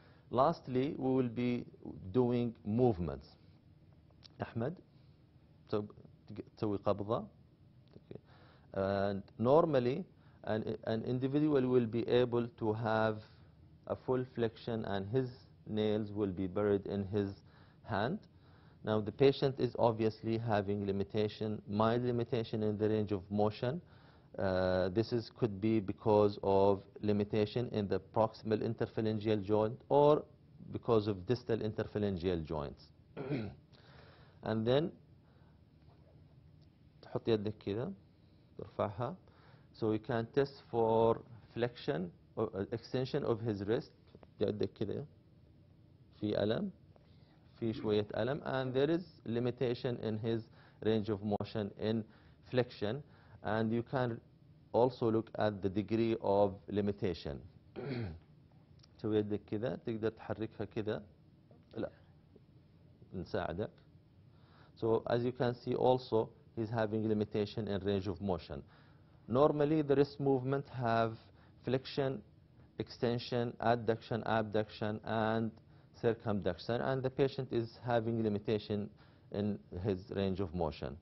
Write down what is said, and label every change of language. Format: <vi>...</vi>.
<en>Lastly, we will be doing movements.</en> <ar>Ahmed, تسوي قبضة.</ar> <en>And normally, an individual will be able to have a full flexion and his nails will be buried in his hand. Now, the patient is obviously having limitation, mild limitation in the range of motion. This is could be because of limitation in the proximal interphalangeal joint or because of distal interphalangeal joints. And then,</en> <ar>تحط يدك كده. ترفعها.</ar> <en>So we can test for flexion or extension of his wrist.</en> <ar>يدك كده في ألم في شوية ألم</ar> <en>and there is limitation in his range of motion in flexion and you can also look at the degree of limitation.</en> <ar>تسوي يدك كده تقدر تحركها كده لا نساعدك.</ar> <en>So as you can see also is having limitation in range of motion. Normally the wrist movement have flexion, extension, adduction, abduction and circumduction and the patient is having limitation in his range of motion.</en>